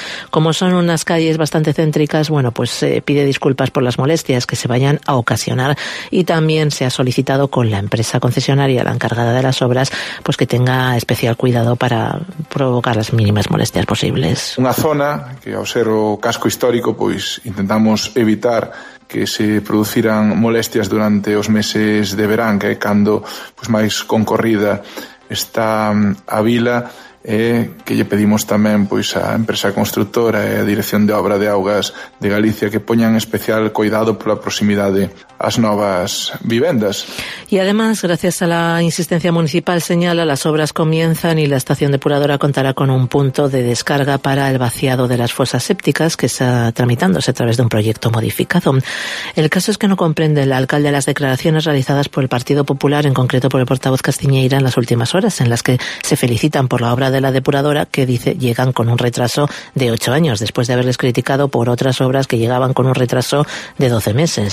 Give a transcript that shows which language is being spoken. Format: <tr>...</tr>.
<es>Como son unas calles bastante céntricas, bueno, pues pide disculpas por las molestias que se vayan a ocasionar y también se ha solicitado con la empresa concesionaria, la encargada de las obras, pues que tenga especial cuidado para provocar las mínimas molestias posibles. Una zona que observo casco histórico, pues intentamos evitar que se producieran molestias durante</es> <gl>os meses de verán, que é cando pues máis concorrida está a vila, que lle pedimos tamén pois a empresa constructora e a Dirección de Obra de Augas de Galicia que poñan especial cuidado pola proximidade ás novas vivendas.</gl> <es>E además, gracias a la insistencia municipal, señala, las obras comienzan y la estación depuradora contará con un punto de descarga para el vaciado de las fosas sépticas que está tramitándose a través de un proyecto modificado. El caso es que no comprende el alcalde las declaraciones realizadas por el Partido Popular, en concreto por el portavoz Castiñeira, en las últimas horas, en las que se felicitan por la obra de la depuradora, que dice llegan con un retraso de 8 años, después de haberles criticado por otras obras que llegaban con un retraso de 12 meses.</es>